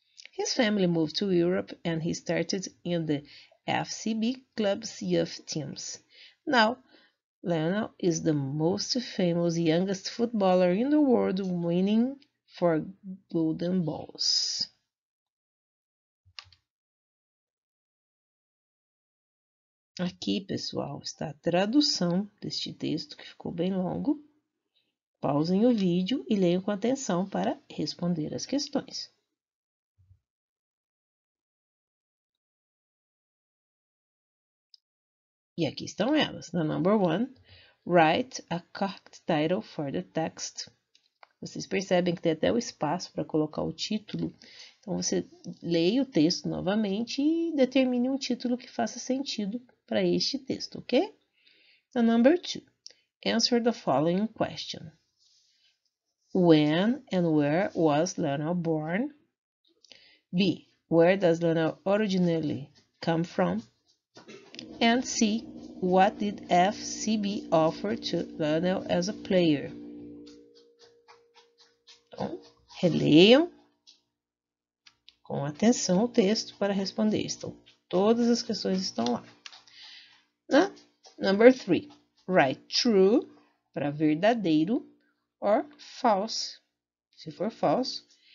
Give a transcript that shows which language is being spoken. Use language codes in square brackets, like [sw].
[en] His family moved to Europe and he started in the FCB club's youth teams. Now, Lionel is the most famous youngest footballer in the world, winning four golden balls. [pt] Aqui, pessoal, está a tradução deste texto que ficou bem longo. Pausem o vídeo e leiam com atenção para responder as questões. E aqui estão elas. [en] Na number one, write a correct title for the text. [pt] Vocês percebem que tem até o espaço para colocar o título. Então, você leia o texto novamente e determine um título que faça sentido para este texto, ok? [en] Na number two, answer the following question. When and where was Lionel born? B. Where does Lionel originally come from? And C. What did FCB offer to Lionel as a player? [pt] Então, releiam com atenção o texto para responder. Então, todas as questões estão lá. Na [en] number three, write true [pt] para verdadeiro [en] or false, [pt] se for falso.